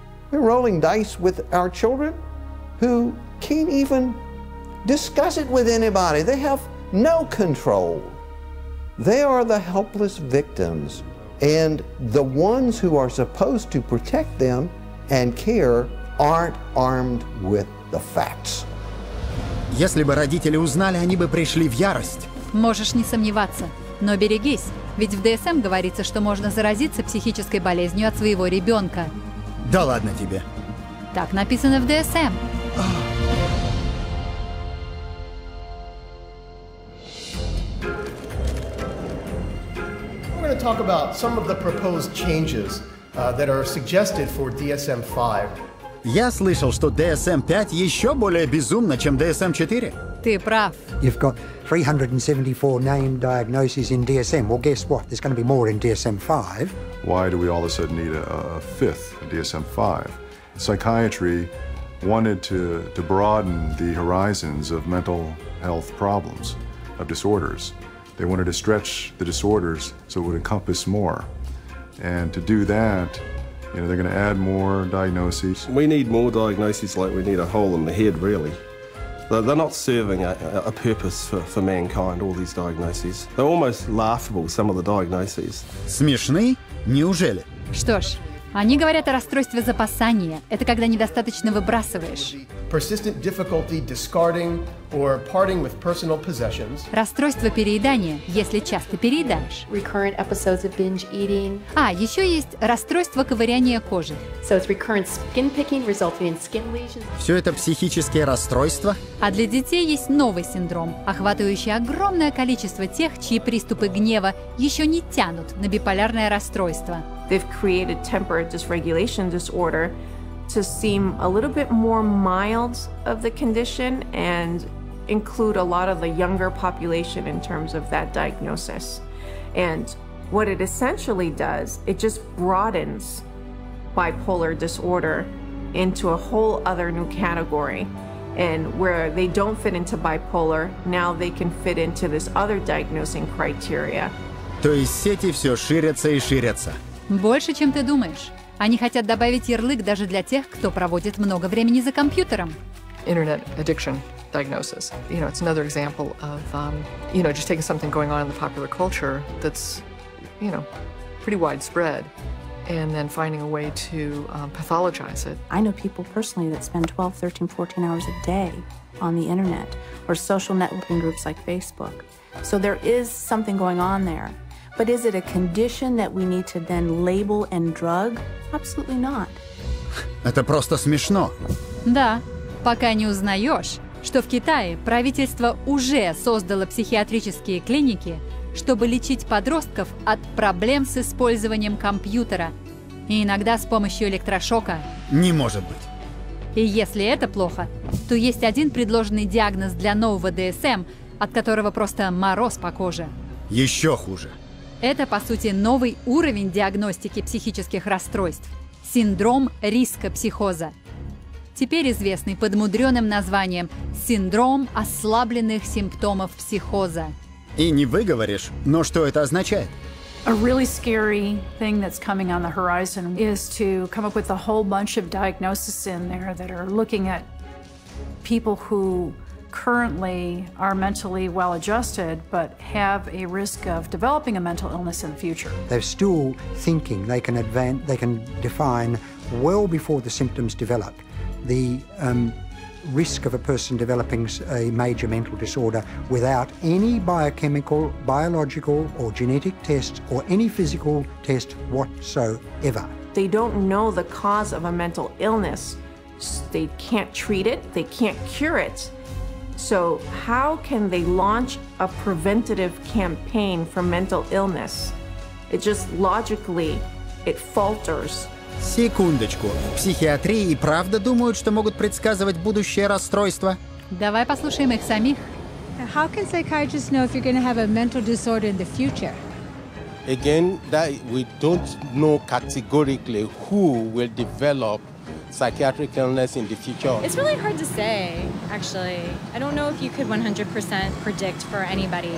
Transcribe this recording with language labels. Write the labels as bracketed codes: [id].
[en] We're rolling dice with our children who can't even discuss it with anybody. They have no control. They are the helpless victims, and the ones who are supposed to protect them and care aren't armed with the facts. [ru] Если бы родители узнали, они бы пришли в ярость. Можешь не сомневаться, но берегись, ведь в DSM говорится, что можно заразиться психической болезнью от своего ребенка. Да ладно тебе. Так написано в DSM. [en] We're going to talk about some of the proposed changes that are suggested for DSM-5. [ru] Я слышал, что DSM-5 еще более безумно, чем DSM-4. Ты прав. [en] You've got 374 named diagnoses in DSM. Well, guess what? There's going to be more in DSM-5. Why do we all of a sudden need a fifth DSM-5? Psychiatry wanted to broaden the horizons of mental health problems, of disorders. They wanted to stretch the disorders so it would encompass more. And to do that, you know, they're going to add more diagnoses. We need more diagnoses like we need a hole in the head, really. They're not serving a purpose for mankind, all these diagnoses. They're almost laughable, some of the diagnoses. [ru] Смешны? Неужели? Что ж, они говорят о расстройстве запасания. Это когда недостаточно выбрасываешь. [en] Persistent difficulty discarding or parting with personal possessions. [ru] Расстройство переедания, если часто переедаешь. [en] Recurrent episodes of binge eating. [ru] А, еще есть расстройство ковыряния кожи. [en] So it's recurrent skin picking, resulting in skin lesions. [ru] Все это психические расстройства. А для детей есть новый синдром, охватывающий огромное количество тех, чьи приступы гнева еще не тянут на биполярное расстройство. [en] They've created temper dysregulation disorder to seem a little bit more mild of the condition and include a lot of the younger population in terms of that diagnosis. And what it essentially does, it just broadens bipolar disorder into a whole other new category. And where they don't fit into bipolar, now they can fit into this other diagnosing criteria. [ru] То есть сети все ширятся и ширятся. Больше, чем ты думаешь. Они хотят добавить ярлык даже для тех, кто проводит много времени за компьютером. [en] Internet addiction diagnosis. You know, it's another example of, you know, just taking something going on in the popular culture that's, you know, pretty widespread, and then finding a way to pathologize it. I know people personally that spend 12, 13, 14 hours a day on the internet or social networking groups like Facebook. So there is something going on there. But is it a condition that we need to then label and drug? Absolutely not. [ru] Это просто смешно. Да, пока не узнаешь, что в Китае правительство уже создало психиатрические клиники, чтобы лечить подростков от проблем с использованием компьютера и иногда с помощью электрошока. Не может быть. И если это плохо, то есть один предложенный диагноз для нового DSM, от которого просто мороз по коже. Еще хуже. Это, по сути, новый уровень диагностики психических расстройств – синдром риска психоза. Теперь известный под мудреным названием «синдром ослабленных симптомов психоза». И не выговоришь, но что это означает? [en] A really scary thing that's coming on the horizon is to come up with a whole bunch of diagnoses in there that are looking at people who currently are mentally well adjusted but have a risk of developing a mental illness in the future. They're still thinking they can advance, they can define well before the symptoms develop the risk of a person developing a major mental disorder without any biochemical, biological or genetic test or any physical test whatsoever. They don't know the cause of a mental illness. They can't treat it, they can't cure it. So how can they launch a preventative campaign for mental illness? It just logically, it falters. [ru] Секундочку. В психиатрии и правда думают, что могут предсказывать будущее расстройство? Давай послушаем их самих. [en] How can psychiatrists know if you're going to have a mental disorder in the future? Again, that we don't know categorically who will develop psychiatric illness in the future. It's really hard to say, actually. I don't know if you could 100% predict for anybody.